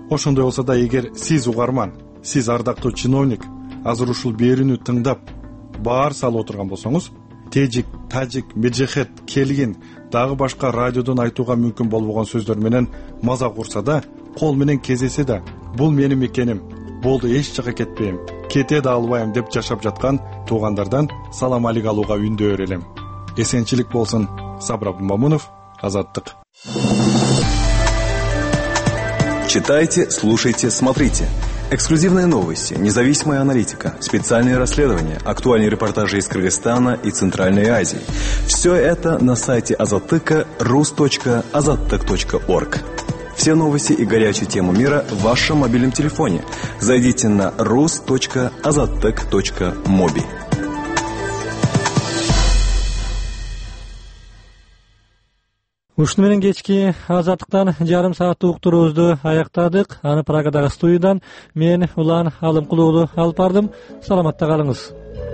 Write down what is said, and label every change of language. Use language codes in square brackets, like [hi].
[ky] Ошондой болсо да, эгер сиз угарман, сиз ардактуу чиновник азыр ушул берүүнү тыңдап баар салып отурган болсоңуз, тежик, тажик, меджехет, келгин дагы башка радиодон айтууга мүмкүн болбогон сөздөр менен маза курса да, кол менен кездесе да, бул менин мекеним, болду эч жака кетпейм, кете да албайм деп жашап жаткан туугандардан салам алек алууга үндөөр элем. Эсенчилик болсун. Сабрап Мамунов, Азаттык. [ru] Читайте, слушайте, смотрите. Эксклюзивные новости, независимая аналитика, специальные расследования, актуальные репортажи из Кыргызстана и Центральной Азии. Все это на сайте Азаттыка rus.azattyk.org. Все новости и горячую тему мира в вашем мобильном телефоне. Зайдите на rus.azatec.mobi. [ky] Ушну менен кечки азаттыктан жарым саат уктуруубузду аяктадык. Аны Прагадагы студиядан мен Улан Алымкулуулу алып бардым. Саламатта калыңыз.